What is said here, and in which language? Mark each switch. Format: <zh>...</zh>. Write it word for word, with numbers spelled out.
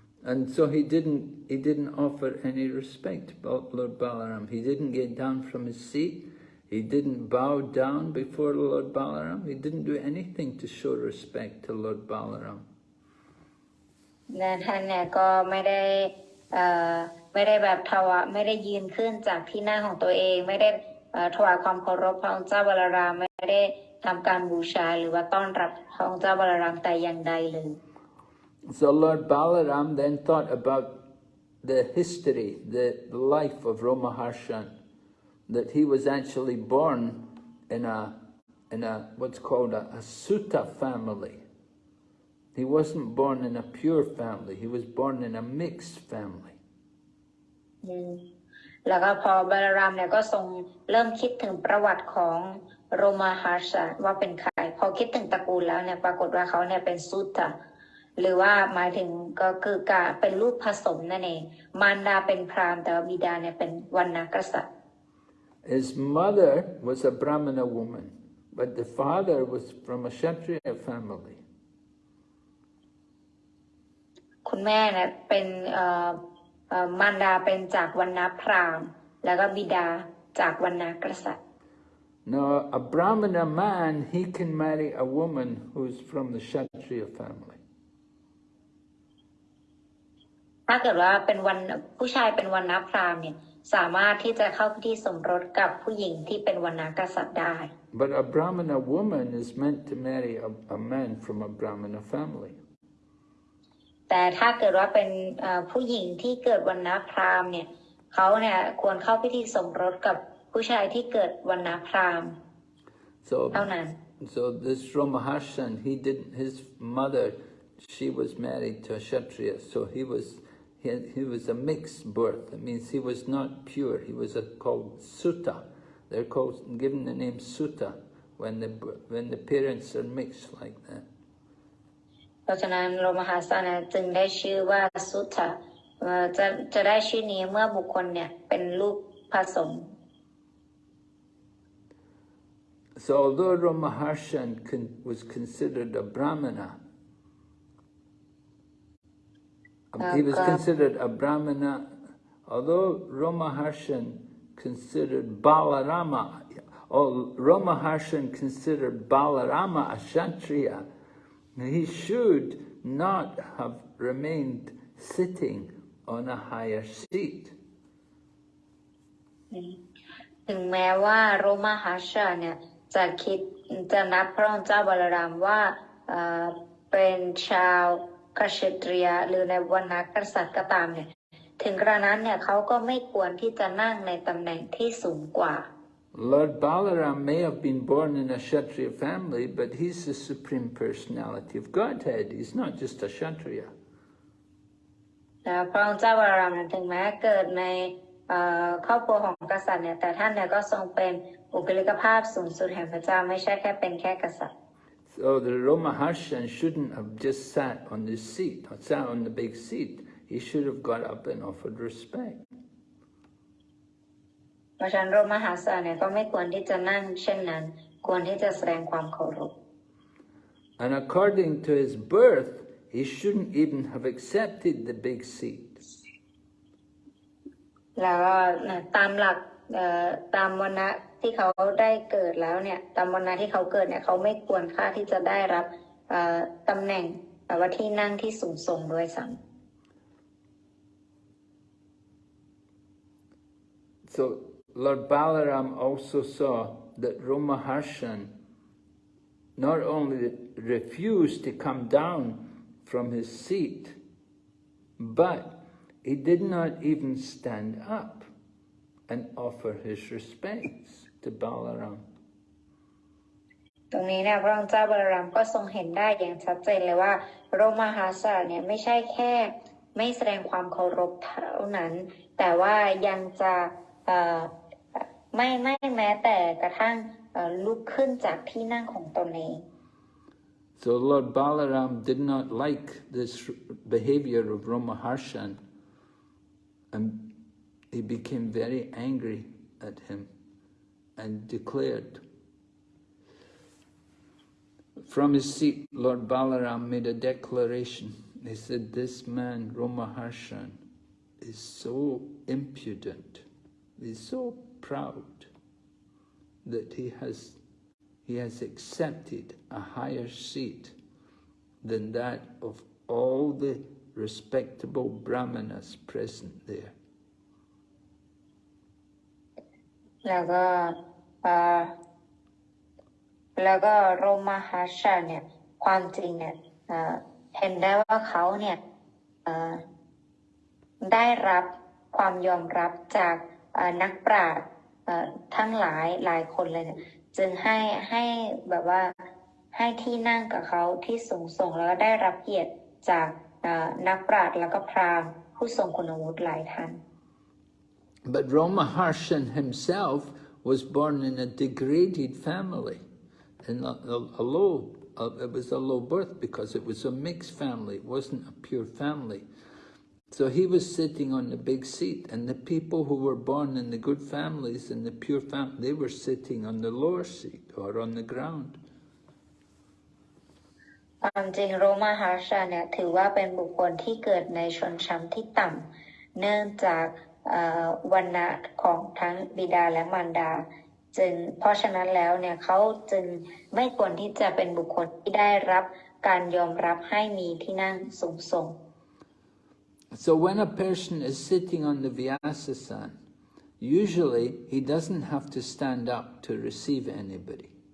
<en>And so he didn't, he didn't offer any respect to Ba- Lord Balaram. He didn't get down from his seat. He didn't bow down before Lord Balaram. He didn't do anything to show respect to Lord Balaram.</en> <th>และท่านเนี่ยก็ไม่ได้เอ่อไม่ได้แบบถวะไม่ได้ยืนขึ้นจากที่นั่งของตัวเองไม่ได้เอ่อถวายความเคารพพระองค์เจ้าบาลารามไม่ได้ทำการบูชาหรือว่าต้อนรับพระองค์เจ้าบาลารามแต่อย่างใดเลย</th> <en>So Lord Balaram then thought about the history, the life of Romaharshan, that he was actually born in a, in a what's called a, a Sutta family. He wasn't born in a pure family, he was born in a mixed family.</en> <th>อืมแล้วก็พอบาลารามเนี่ยก็ทรงเริ่มคิดถึงประวัติของโรมาฮาชะว่าเป็นใครพอคิดถึงตระกูลแล้วเนี่ยปรากฏว่าเขาเนี่ยเป็นสุตตะหรือว่าหมายถึงก็คือการเป็นลูกผสมนั่นเองมารดาเป็นพราหมณ์แต่ว่าบิดาเนี่ยเป็นวันนกษัตริย์</th> <en>His mother was a Brahmana woman, but the father was from a Kshatriya family.</en> <th>คุณแม่เนี่ยเป็นเอ่อเอ่อมารดาเป็นจากวรรณะพราหมณ์ แล้วก็บิดาจากวรรณะกษัตริย์</th> <en>Now, a Brahmana man, he can marry a woman who's from the Kshatriya family.</en> <th>ถ้าเกิดว่าเป็นวันผู้ชายเป็นวรรณะพราหมณ์เนี่ยสามารถที่จะเข้าพิธีสมรสกับผู้หญิงที่เป็นวรรณะกษัตริย์ได้</th> <en>But a Brahmana woman is meant to marry a, a man from a Brahmana family.</en> <th>แต่ถ้าเกิดว่าเป็นเอ่อผู้หญิงที่เกิดวรรณะพราหมณ์เนี่ยเขาเนี่ยควรเข้าพิธีสมรสกับผู้ชายที่เกิดวรรณะพราหมณ์</th> <en>So,</en> <th>เท่านั้น</th> <en>so this Romaharshan, he didn't. His mother, she was married to a Kshatriya, so he was, he, he was a mixed birth. That means he was not pure. He was a, called Sutta. They're called given the name Sutta when the b- when the parents are mixed like that.</en> <th>เพราะฉะนั้นโลมหาสานะจึงได้ชื่อว่าสุทธะเอ่อจะจะได้ชื่อนี้เมื่อบุคคลเนี่ยเป็นลูกผสม</th> <en>So although Romaharshan con, was considered a Brahmana, เอ่อ he was ก็ considered a Brahmana, although Romaharshan considered Balarama, or Romaharshan considered Balarama a Kshatriya, he should not have remained sitting on a higher seat.</en> <th>ถึงแม้ว่าโรมหาชาเนี่ยจะคิดจะนับพระองค์เจ้าบาลารามว่าเอ่อเป็นชาวกชเตรียหรือในวรรณะกษัตริย์ก็ตามเนี่ยถึงกระนั้นเนี่ยเขาก็ไม่ควรที่จะนั่งในตำแหน่งที่สูงกว่า</th> <en>Lord Balaram may have been born in a Kshatriya family, but he's the Supreme Personality of Godhead. He's not just a Kshatriya.</en> <th>นะพระองค์เจ้าบารามนั้นถึงแม้เกิดในเอ่อครอบครัวของกษัตริย์เนี่ยแต่ท่านเนี่ยก็ทรงเป็นบุคลิกภาพสูงสุดแห่งพระเจ้าไม่ใช่แค่เป็นแค่กษัตริย์</th> <en>So the Romaharshan shouldn't have just sat on the seat, or sat on the big seat. He should have got up and offered respect.</en> <th>เพราะฉะนั้นโรมหาสารเนี่ยก็ไม่ควรที่จะนั่งเช่นนั้นควรที่จะแสดงความเคารพ</th> <en>And according to his birth, he shouldn't even have accepted the big seat.</en> <th>แล้วก็นะตามหลักเอ่อตามวรรณะที่เขาได้เกิดแล้วเนี่ยตามวรรณะที่เขาเกิดเนี่ยเขาไม่ควรค่าที่จะได้รับเอ่อตำแหน่งหรือว่าที่นั่งที่สูงส่งด้วยซ้ำ</th> <en>So Lord Balaram also saw that Romaharshan not only refused to come down from his seat, but he did not even stand up and offer his respects to Balaram.</en> <th>ตรงนี้เนี่ยพระองค์เจ้าบาลารามก็ทรงเห็นได้อย่างชัดเจนเลยว่าโรมหาสารเนี่ยไม่ใช่แค่ไม่แสดงความเคารพเท่านั้นแต่ว่ายังจะเอ่อไม่ไม่แม้แต่กระทั่งเอ่อลุกขึ้นจากที่นั่งของตนเอง</th> <en>So Lord Balaram did not like this behavior of Romaharshan, and he became very angry at him and declared. From his seat, Lord Balaram made a declaration. He said, "This man, Romaharshan, is so impudent, he's so proud that he has, he has accepted a higher seat than that of all the respectable Brahmanas present there."</en> <th>แล้วก็เอ่อแล้วก็โรมหาสารเนี่ยความจริงเนี่ยเอ่อเห็นได้ว่าเขาเนี่ยเอ่อ ได้รับความยอมรับจากเอ่อนักปราชญ์เอ่อทั้งหลายหลายคนเลยเนี่ยจึงให้ให้แบบว่าให้ที่นั่งกับเขาที่สูงส่งแล้วก็ได้รับเกียรติจากเอ่อนักปราชญ์แล้วก็พราหมณ์ผู้ทรงคุณวุฒิหลายท่าน</th> <en>But Romaharshan himself was born in a degraded family, in a, a, a low, a, it was a low birth because it was a mixed family, it wasn't a pure family. So he was sitting on the big seat, and the people who were born in the good families and the pure fam, they were sitting on the lower seat or on the ground.</en> <th>ความจริงโรมาฮาชาเนี่ยถือว่าเป็นบุคคลที่เกิดในชนชั้นที่ต่ำเนื่องจากเอ่อวรรณะของทั้งบิดาและมารดาจึงเพราะฉะนั้นแล้วเนี่ยเขาจึงไม่ควรที่จะเป็นบุคคลที่ได้รับการยอมรับให้มีที่นั่งสูงส่ง</th> <en>So when a person is sitting on the Vyasasana, usually he doesn't have to stand up to receive anybody.</en>